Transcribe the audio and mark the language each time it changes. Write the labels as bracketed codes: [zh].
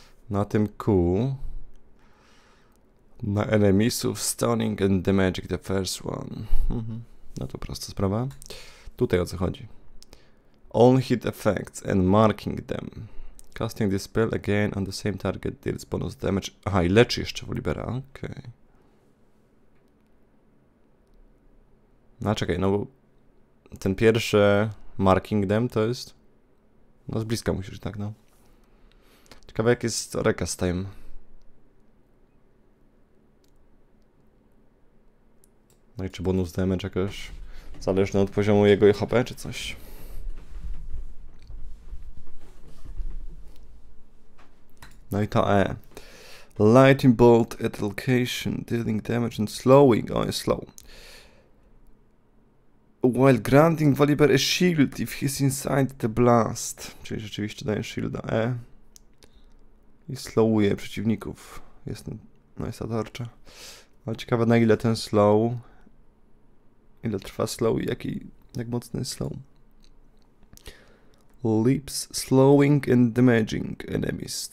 [pl] Na tym Q. Na enemiesów [en] stunning and damage the first one. [pl] No to prosta sprawa. Tutaj o co chodzi. [en] On hit effects and marking them. Casting this spell again on the same target deals bonus damage. [pl] Aha, i leczy jeszcze Volibera. Okej. Okay. No czekaj, no bo ten pierwszy... [en] Marking them [pl] to jest. No z bliska musisz tak, no. Ciekawe jak jest recast time. No i czy bonus damage jakoś zależny od poziomu jego HP czy coś. No i to E. [en] Lightning bolt at location, dealing damage and slowing. [pl] O, jest slow. [en] While granting Volibear a shield if he's inside the blast. [pl] Czyli rzeczywiście daje shielda E. I slowuje przeciwników. Jest, no jest atarcza. Ale ciekawe na ile ten slow. Ile trwa slow i jak mocny jest slow. [en] Leaps slowing and damaging enemies.